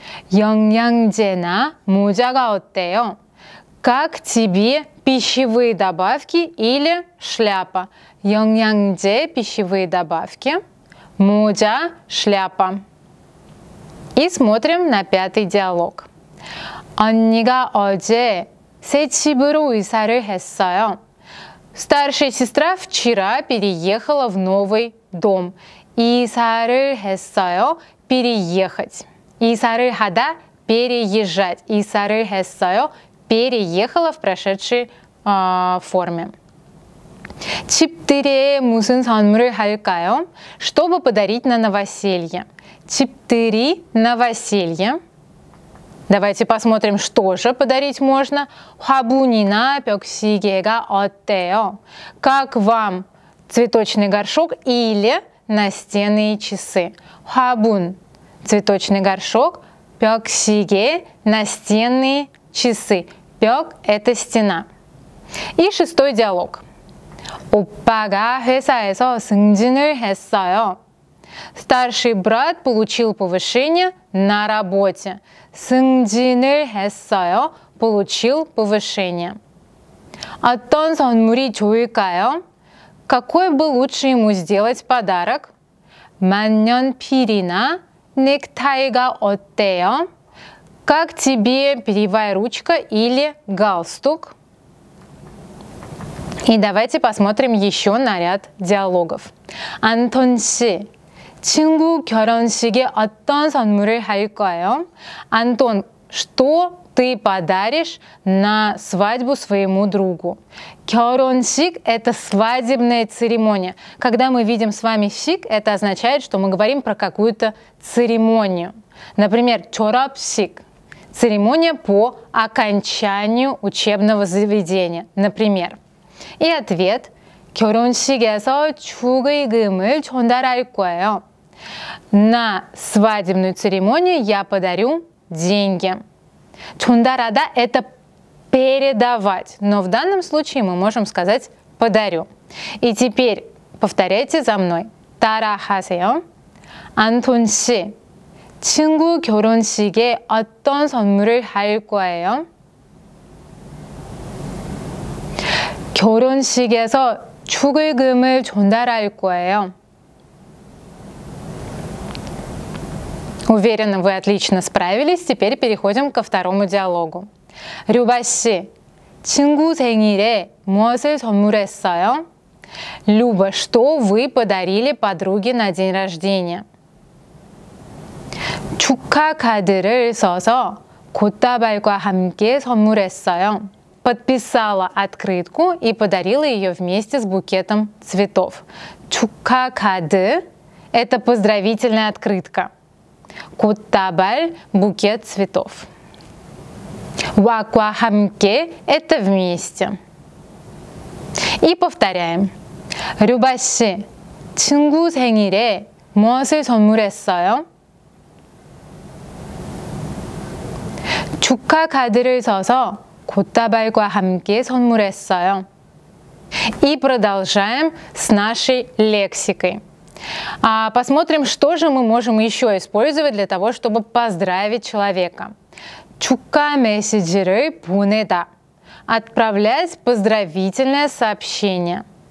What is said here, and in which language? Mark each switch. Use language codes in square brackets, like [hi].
[ko] Йонгьянгдена мудяга оттео. [ru] Как тебе пищевые добавки или шляпа? Йонгьянгде – пищевые добавки. Мудя – шляпа. И смотрим на пятый диалог. [ko] 언니가 어제 새 집으로 이사를 했어요. [ru] Старшая сестра вчера переехала в новый дом. [ko] 이사를 했어요 – переехать. 이사를 하다 – переезжать. 이사를 했어요 [ru] – переехала в прошедшей форме. [ko] 집들에 무슨 선물을 할까요? [ru] Чтобы подарить на новоселье. 집들이 – новоселье. Давайте посмотрим, что же подарить можно. [ko] 화분이나 벽시계가 어때요? [ru] Как вам цветочный горшок или настенные часы? [ko] 화분 [ru] – цветочный горшок, [ko] 벽시계 [ru] – настенные часы. 벽 – это стена. И шестой диалог. [ko] 오빠가 회사에서 승진을 했어요. [ru] Старший брат получил повышение на работе. [ko] 승진을 했어요 [ru] – получил повышение. [ko] 어떤 선물이 좋을까요? [ru] Какой бы лучше ему сделать подарок? [ko] 만년필이나 넥타이가 어때요? [ru] Как тебе перьевая ручка или галстук? И давайте посмотрим еще на ряд диалогов. [ko] 안톤 씨. 친구 결혼식에 어떤 선물을 할까요? [ru] Антон, что ты подаришь на свадьбу своему другу? 결혼식 – это свадебная церемония. Когда мы видим с вами сик, это означает, что мы говорим про какую-то церемонию. Например, 졸업식 – церемония по окончанию учебного заведения. Например. И ответ. [ko] 결혼식에서 축의금을 전달할 거예요. [ru] На свадебную церемонию я подарю деньги. [ko] 전달하다 [ru] – это передавать, но в данном случае мы можем сказать «подарю». И теперь повторяйте за мной. [ko] 따라하세요. 안톤 씨, 친구 결혼식에 어떤 선물을 할 거예요? 결혼식에서 축의금을 전달할 거예요. [ru] Уверена, вы отлично справились. Теперь переходим ко второму диалогу. [ko] Рюба си, 친구 생일에 무엇을 선물했어요? [ru] Люба, что вы подарили подруге на день рождения? [ko] 축하 카드를 써서 꽃다발과 함께 선물했어요. [ru] Подписала открытку и подарила ее вместе с букетом цветов. [ko] 축하 카드 [ru] – это поздравительная открытка. [ko] 꽃다발 – [ru] букет цветов. [ko] 와과 함께 [ru] – это вместе. И повторяем. [ko] 류바 씨, 친구 생일에 무엇을 선물했어요? 축하 카드를 써서 꽃다발과 함께 선물했어요. [ru] И продолжаем с нашей лексикой. Посмотрим, что же мы можем еще использовать для того, чтобы поздравить человека. [ko] 축하 메시지를 보내다. [ru] Отправлять поздравительное сообщение.